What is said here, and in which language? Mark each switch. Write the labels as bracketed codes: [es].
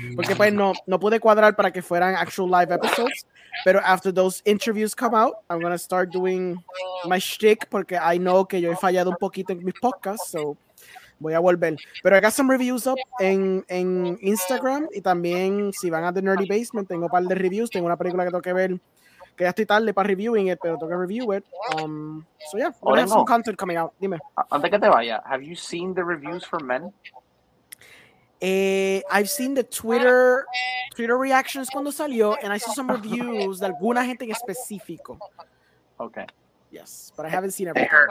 [es] Porque pues no pude cuadrar para que fueran [en] actual live episodes. Pero after those interviews come out, I'm going to start doing my shtick porque I know [es] que yo he fallado un poquito en mis podcasts. [en] So [es] voy a volver. [en] Pero I got some reviews up en Instagram. [es] Y también, si van a The Nerdy Basement, tengo un par de reviews. Tengo una película que tengo que ver, que ya estoy tarde para [en] reviewing it, [es] pero tengo que [en] review it. I have some content coming out. [es] Dime. Antes que te vaya, [en] have you seen the reviews for Men? I've seen the Twitter reactions [es] cuando salió, [en] and I saw some reviews [es] de alguna gente en específico. [en] Okay. Yes, but I haven't seen everything.